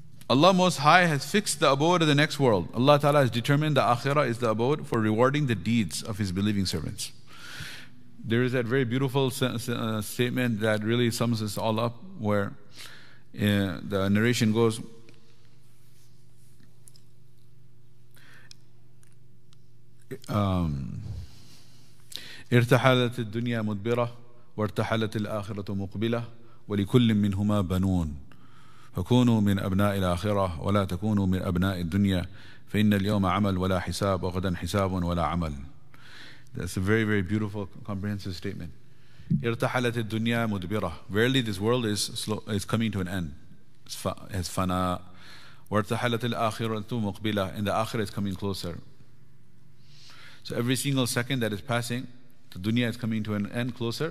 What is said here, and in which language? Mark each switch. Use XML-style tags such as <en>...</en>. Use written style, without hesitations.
<en>Allah Most High has fixed the abode of the next world. Allah Ta'ala has determined the Akhirah is the abode for rewarding the deeds of his believing servants. There is that very beautiful statement that really sums this all up, where the narration goes,</en> <ar>ارتحلت الدنيا مدبرة وارتحلت الآخرة مقبلة ولكل منهما بنون فكونوا من أبناء الآخرة ولا تكونوا من أبناء الدنيا فإن اليوم عمل ولا حساب وغدا حساب ولا عمل.</ar> <en>That's a very, very beautiful, comprehensive statement.</en> <ar>ارتحلت الدنيا مدبرة.</ar> <en>Verily, this world is slow, is coming to an end.</en> <ar>It's فناء. وارتحلت الآخرة مقبلة.</ar> <en>And the آخرة is coming closer. So every single second that is passing, the dunya is coming to an end closer.</en>